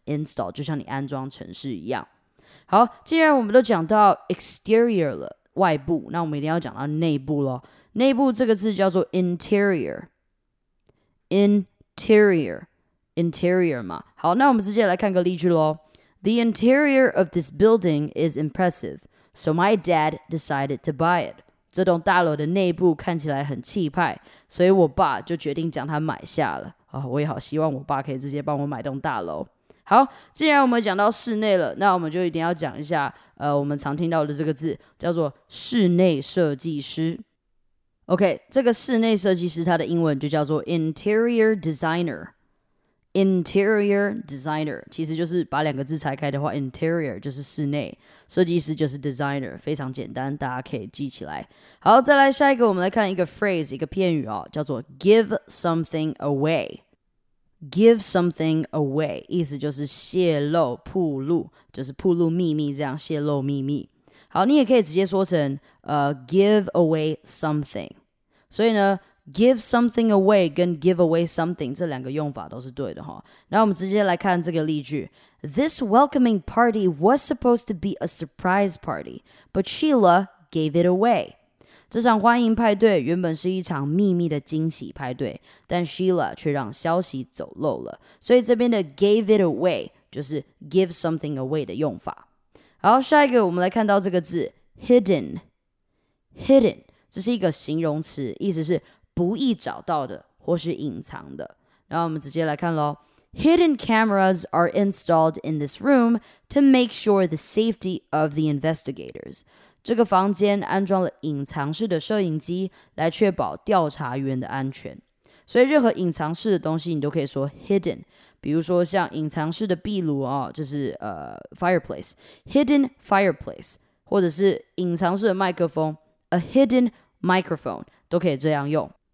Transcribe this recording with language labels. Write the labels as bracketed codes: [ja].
[zh] Install 就像你安装程式一样。好，既然我们都讲到 exterior 了，外部，那我们一定要讲到内部咯。内部这个字叫做 interior. [en] Interior. Interior 嘛。 [zh] 好，那我们直接来看个例句咯。 [en] The interior of this building is impressive, so my dad decided to buy it. [zh] 这栋大楼的内部看起来很气派，所以我爸就决定将它买下了。我也好希望我爸可以直接帮我买栋大楼。好，既然我们讲到室内了，那我们就一定要讲一下，我们常听到的这个字叫做室内设计师。 OK， 这个室内设计师它的英文就叫做 interior designer。 Interior designer 其实就是把两个字拆开的话 Interior 就是室内设计师就是 designer 非常简单大家可以记起来好再来下一个我们来看一个 phrase 一个片语叫做 [en] Give something away Give something away [zh] 意思就是泄露曝露就是曝露秘密这样泄露秘密好你也可以直接说成 [en] Give away something [zh] 所以呢 [en] Give something away [zh] 跟 [en] give away something [zh] 这两个用法都是对的哈。那我们直接来看这个例句 [en] This welcoming party was supposed to be a surprise party, but Sheila gave it away. [zh] 这场欢迎派对原本是一场秘密的惊喜派对，但 Sheila 却让消息走漏了，所以这边的 [en] gave it away [zh] 就是 [en] give something away [zh] 的用法。好，下一个我们来看到这个字 hidden， 这是一个形容词，意思是不易找到的或是隐藏的。然后我们直接来看咯， [en] Hidden cameras are installed in this room to make sure the safety of the investigators. [zh] 这个房间安装了隐藏式的摄影机来确保调查员的安全。所以任何隐藏式的东西你都可以说 hidden， 比如说像隐藏式的壁炉哦，就是fireplace， [en] hidden fireplace， [zh] 或者是隐藏式的麦克风， [en] a hidden microphone， [zh] 都可以这样用。